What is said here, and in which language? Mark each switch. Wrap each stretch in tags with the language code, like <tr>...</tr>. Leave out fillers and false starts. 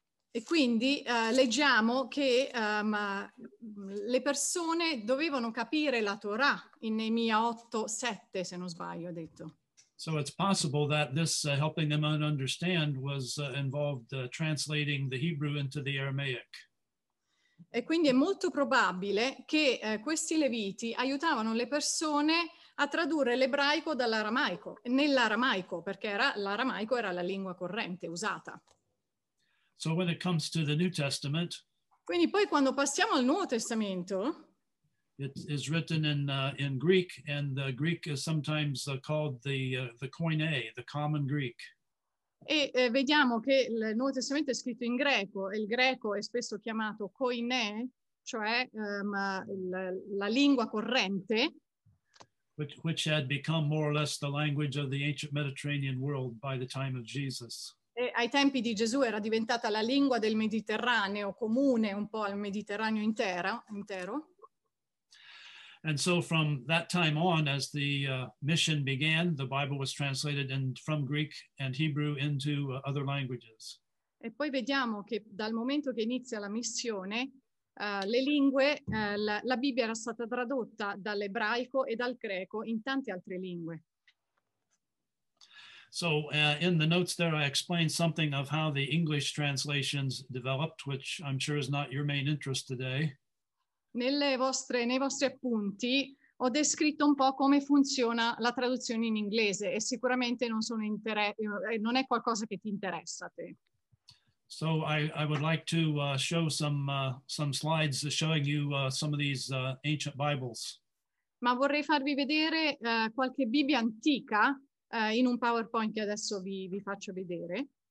<it>E quindi leggiamo che le persone dovevano capire la Torah in Neemia 8, 7, se non sbaglio, ha detto.</it> <en>So it's possible that this helping them understand was involved translating the Hebrew into the Aramaic.</en> <it>E quindi è molto probabile che questi Leviti aiutavano le persone a tradurre l'ebraico dall'aramaico, nell'aramaico, perché l'aramaico era la lingua corrente usata.</it> <en>So when it comes to the New Testament.</en> <it>Quindi poi quando passiamo al Nuovo Testamento.</it> <en>It is written in Greek, and the Greek is sometimes called the Koine, the common Greek.</en> <it>E vediamo che il Nuovo Testamento è scritto in greco, e il greco è spesso chiamato Koine, cioè la lingua corrente.</it> <en>Which had become more or less the language of the ancient Mediterranean world by the time of Jesus.</en> <it>E ai tempi di Gesù era diventata la lingua del Mediterraneo, comune un po' al Mediterraneo intero.</it> <en>And so from that time on, as the mission began, the Bible was translated from Greek and Hebrew into other languages.</en> <it>E poi vediamo che dal momento che inizia la missione, le lingue, la Bibbia era stata tradotta dall'ebraico e dal greco in tante altre lingue.</it> <en>So in the notes there, I explained something of how the English translations developed, which I'm sure is not your main interest today.</en> <it>Nei vostri appunti ho descritto un po' come funziona la traduzione in inglese e sicuramente non è qualcosa che ti interessa a te.</it> <en>So I would like to show some slides showing you some of these ancient Bibles.</en> <it>Ma vorrei farvi vedere qualche Bibbia antica in un PowerPoint che adesso vi faccio vedere.</it>